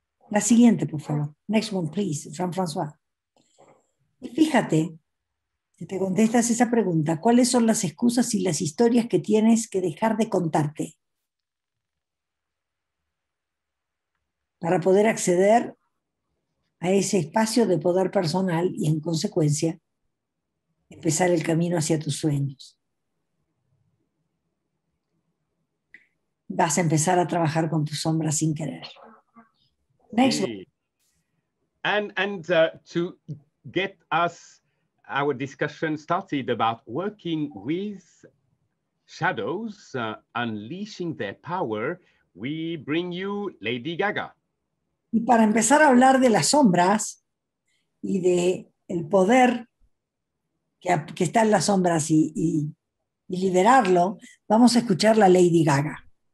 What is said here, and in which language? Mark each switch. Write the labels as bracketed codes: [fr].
[es] La siguiente, por favor. [en] Next one, please, [es] Jean-François. Y fíjate, si te contestas esa pregunta, ¿cuáles son las excusas y las historias que tienes que dejar de contarte para poder acceder a ese espacio de poder personal y, en consecuencia, empezar el camino hacia tus sueños? Vas a empezar a trabajar con tus sombras sin querer. Sí. [en] To get us our discussion started about working with shadows, unleashing their power, we bring you Lady Gaga. [es] Y para empezar a hablar de las sombras y de el poder que está en las sombras y liberarlo, vamos a escuchar la Lady Gaga.